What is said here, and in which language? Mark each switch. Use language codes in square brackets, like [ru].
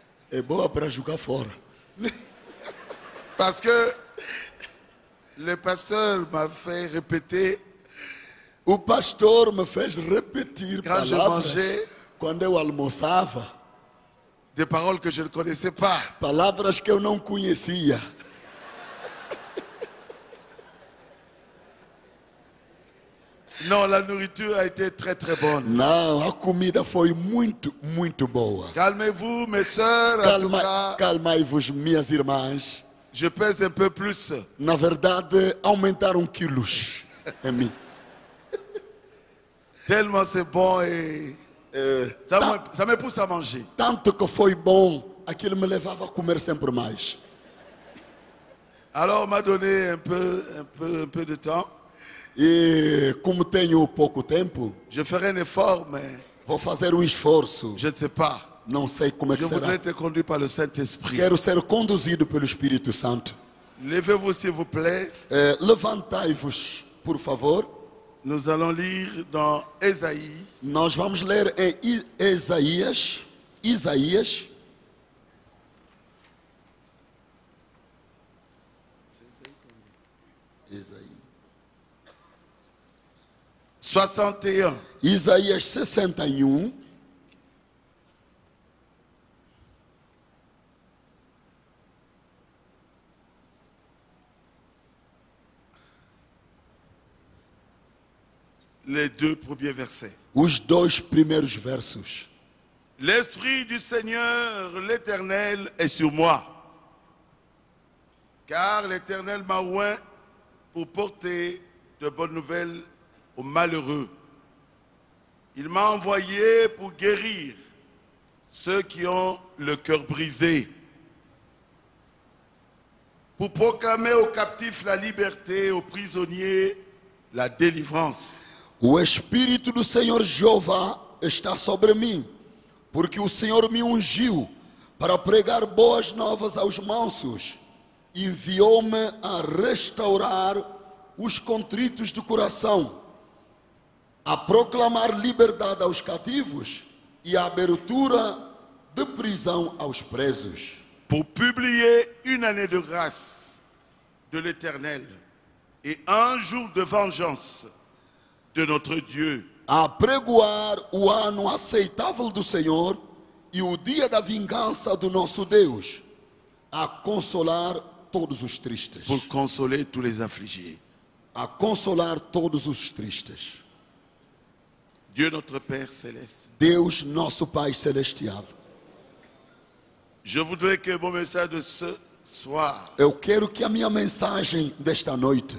[fr] Et bon après jouer fort. Parce que le pasteur m'a fait répéter. [pt] O pastor me fez repetir [fr] quand [pt] palavras, [fr] je mangeais, [pt] quando eu almoçava, [fr] des paroles que je ne connaissais pas. [pt] Palavras que eu não conhecia. [fr] Non, la nourriture a été très très bonne. [pt] Não, a comida foi muito, muito boa. [fr] Calmez-vous, mes sœurs. [pt] Calmai-vos, minhas irmãs. [fr] Je pèse un peu plus. [pt] Na verdade, aumentar quilo em mim. [fr] Tellement c'est bon et ça me pousse à manger. [pt] Tanto que foi bom, aquilo me levava a comer sempre mais. [fr] Alors, on m'a donné un peu de temps. [pt] E como tenho pouco tempo, [fr] je ferai un effort, mais [pt] vou fazer esforço. [fr] Je ne sais pas. [pt] Não sei como é que será. [fr] Je voudrais être conduit par le Saint-Esprit. [pt] Quero ser conduzido pelo Espírito Santo. [fr] Levez-vous, s'il vous plaît. [pt] Levantai-vos, por favor. [fr] Nous allons lire dans Esaïe. [pt] Nós vamos ler em Isaías. Isaías. Isaías. 61. Isaías 61. [fr] Les deux premiers versets. [pt] Os dois primeiros versos. [fr] L'esprit du Seigneur, l'Éternel est sur moi. Car l'Éternel m'a oint pour porter de bonnes nouvelles aux malheureux. Il m'a envoyé pour guérir ceux qui ont le cœur brisé, pour proclamer aux captifs la liberté, aux prisonniers la délivrance. [pt] O Espírito do Senhor Jeová está sobre mim, porque o Senhor me ungiu para pregar boas novas aos mansos, enviou-me a restaurar os contritos do coração, a proclamar liberdade aos cativos e a abertura de prisão aos presos. [fr] Pour publier une année de grâce de l'Éternel et un jour de vengeance de notre Dieu. [pt] Apregoar o ano aceitável do Senhor e o dia da vingança do nosso Deus, a consolar todos os tristes. [fr] Pour consoler tous les affligés. [pt] A consolar todos os tristes. [fr] Dieu notre Père céleste. [pt] Deus nosso Pai celestial. [fr] Je voudrais que mon message de ce soir. [pt] Eu quero que a minha mensagem desta noite